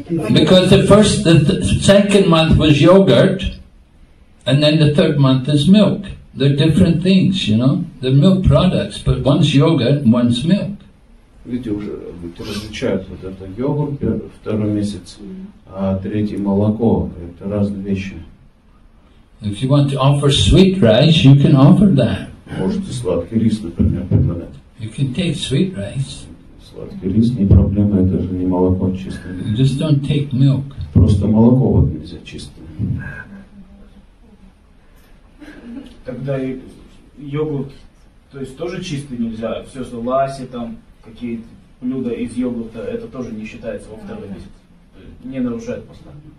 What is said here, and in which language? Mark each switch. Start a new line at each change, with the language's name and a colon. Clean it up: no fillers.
English: Because the first, the second month was yogurt, and then the third month is milk. They're different things, you know. They're milk products, but one's yogurt, and one's milk.
Russian: Видите, уже различают вот это йогурт второй месяц, а третий молоко. Это разные вещи.
English: If you want to offer sweet rice, you can offer that.
Russian: Можете сладкий рис, например, предлагать.
English: You can take sweet rice.
Russian: Сладкий рис не проблема, это же не молоко чистое.
English: You just don't take milk.
Russian: Просто молоко вот нельзя чистое. Тогда и йогурт, то есть тоже чистый нельзя, все что ласи там, какие-то блюда из йогурта, это тоже не считается во второй месяц, не нарушает поста.